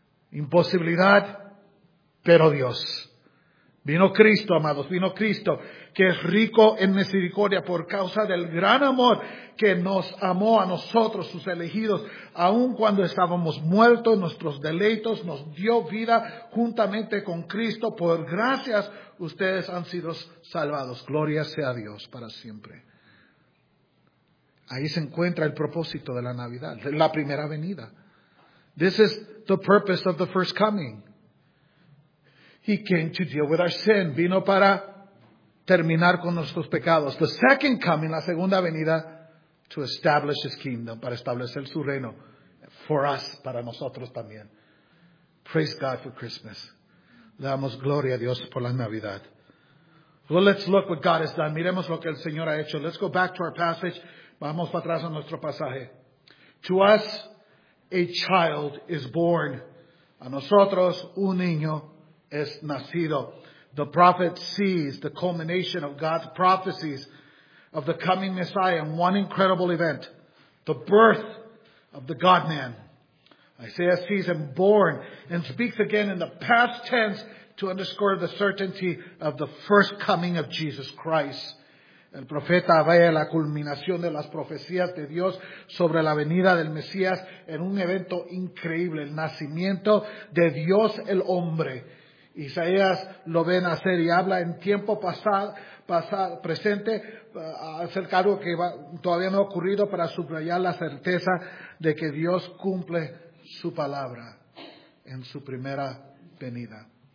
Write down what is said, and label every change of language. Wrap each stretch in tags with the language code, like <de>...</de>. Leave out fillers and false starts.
<es>Imposibilidad, pero Dios. Vino Cristo, amados, vino Cristo, que es rico en misericordia por causa del gran amor que nos amó a nosotros, sus elegidos, aun cuando estábamos muertos en nuestros deleitos, nos dio vida juntamente con Cristo. Por gracias, ustedes han sido salvados. Gloria sea Dios para siempre. Ahí se encuentra el propósito de la Navidad, de la primera venida.</es> <en>This is the purpose of the first coming. He came to deal with our sin.</en> <es>Vino para terminar con nuestros pecados.</es> <en>The second coming,</en> <es>la segunda venida,</es> <en>to establish his kingdom,</en> <es>para establecer su reino.</es> <en>For us,</en> <es>para nosotros también.</es> <en>Praise God for Christmas.</en> <es>Le damos gloria a Dios por la Navidad.</es> <en>Well, let's look what God has done.</en> <es>Miremos lo que el Señor ha hecho.</es> <en>Let's go back to our passage.</en> <es>Vamos para atrás a nuestro pasaje.</es> <en>To us, a child is born.</en> <es>A nosotros, un niño es nacido.</es> <en>The prophet sees the culmination of God's prophecies of the coming Messiah in one incredible event. The birth of the God-man. Isaiah sees him born and speaks again in the past tense to underscore the certainty of the first coming of Jesus Christ.</en> <es>El profeta ve la culminación de las profecías de Dios sobre la venida del Mesías en un evento increíble, el nacimiento de Dios el hombre. Isaías lo ve nacer y habla en tiempo presente acerca de algo que todavía no ha ocurrido para subrayar la certeza de que Dios cumple su palabra en su primera venida.</es>